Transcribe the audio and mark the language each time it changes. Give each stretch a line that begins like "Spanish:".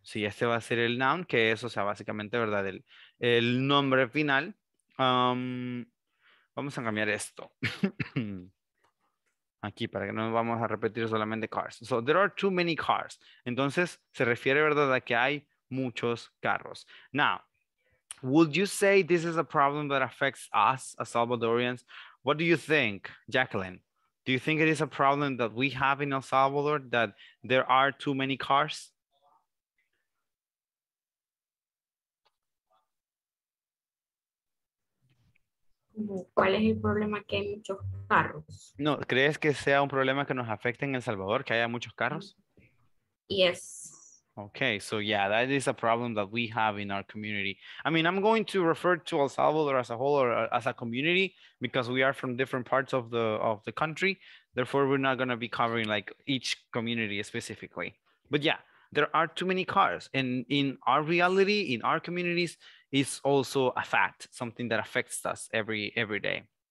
Spanish: Sí, este va a ser el noun, que es, o sea, básicamente, ¿verdad?, el nombre final. Vamos a cambiar esto. Aquí, para que no vamos a repetir solamente cars.
English: So, there are too many cars.
Spanish: Entonces, se refiere, ¿verdad?, a que hay muchos carros.
English: Now, would you say this is a problem that affects us as Salvadorians? What do you think, Jacqueline? Do you think it is a problem that we have in El Salvador that there are too many cars?
Spanish: ¿Cuál es el problema que hay muchos carros? No, ¿crees que sea un problema que nos afecte en El Salvador, que haya muchos carros?
English: Yes. Okay, so yeah, that is a problem that we have in our community. I mean, I'm going to refer to El Salvador as a whole or as a community because we are from different parts of the country. Therefore, we're not going to be covering like each community specifically. But yeah, there are too many cars. And in our reality, in our communities, it's also a fact, something that affects us every day.